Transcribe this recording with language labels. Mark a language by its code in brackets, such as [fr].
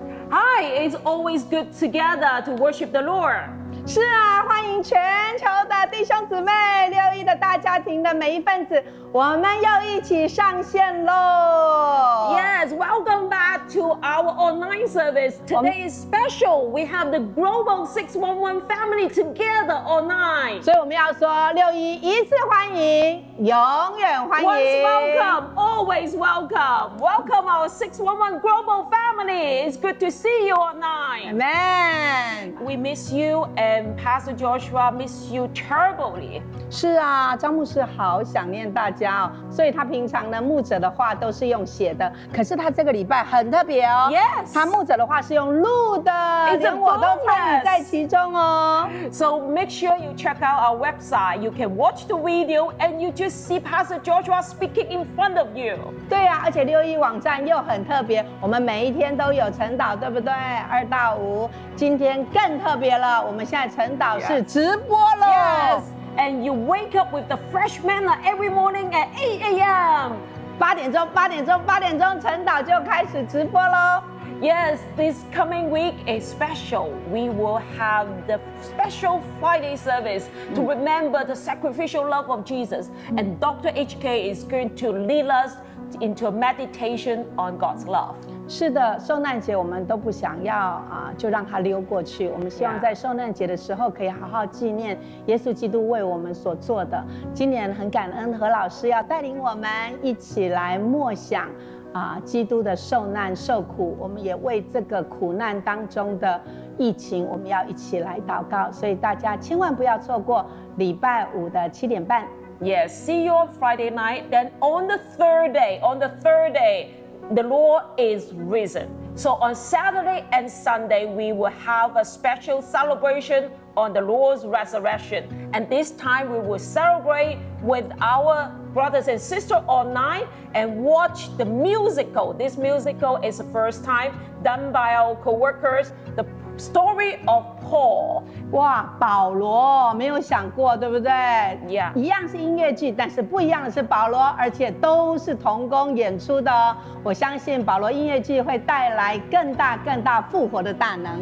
[en] Hi, it's always good together to worship the Lord. [zh] 是啊，欢迎全球的弟兄姊妹，六一的大家庭的每一份子，我们又一起上线咯。 [en] Yes, welcome back to our online service. Today is special. We have the Global 611 family together online. [zh] 所以我们要说六一一次欢迎，永远欢迎。 [en] Once welcome, always welcome. Welcome our 611 Global family. It's good to see you online. Amen. We miss you and Pastor Joshua miss you terribly. [zh] 是啊，张牧师好想念大家。所以他平常呢，牧者的话都是用写的，可是他这个礼拜很特别哦。 [en] Yes, [zh] 他牧者的话是用录的，连我都参与在其中哦。 [en] So make sure you check out our website. You can watch the video and you just see Pastor Joshua speaking in front of you. [zh] 对啊，而且六一网站又很特别，我们每一天都有晨祷，对不对？二到五，今天更特别了，我们现在晨祷是直播了。 [en] Yes. And you wake up with the fresh manna every morning at 8 a.m. [zh] 8点钟，晨祷就开始直播咯。 [en] Yes, this coming week is special. We will have the special Friday service to remember the sacrificial love of Jesus. And Dr. HK is going to lead us into a meditation on God's love. [zh] 是的，受难节我们都不想要啊，就让它溜过去。我们希望在受难节的时候可以好好纪念耶稣基督为我们所做的。今年很感恩何老师要带领我们一起来默想啊，基督的受难受苦。我们也为这个苦难当中的疫情，我们要一起来祷告。所以大家千万不要错过礼拜五的7:30。 [en] Yes, see you on Friday night. Then on the third day, The Lord is risen. So on Saturday and Sunday, we will have a special celebration on the Lord's resurrection. And this time we will celebrate with our brothers and sisters online and watch the musical. This musical is the first time done by our co-workers, the story of Paul. [zh] 哇，保罗，没有想过，对不对？ [en] Yeah. [zh] 一样是音乐剧，但是不一样的是保罗，而且都是同工演出的哦。我相信保罗音乐剧会带来更大更大复活的大能。